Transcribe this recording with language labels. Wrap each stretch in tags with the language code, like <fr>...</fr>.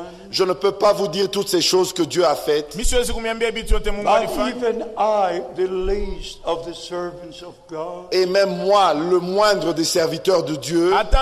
<fr>Je ne peux pas vous dire toutes ces choses que Dieu a faites.</fr> <en>But even I, the least of the servants of God.</en> <fr>Et même moi, le moindre des serviteurs de Dieu.</fr>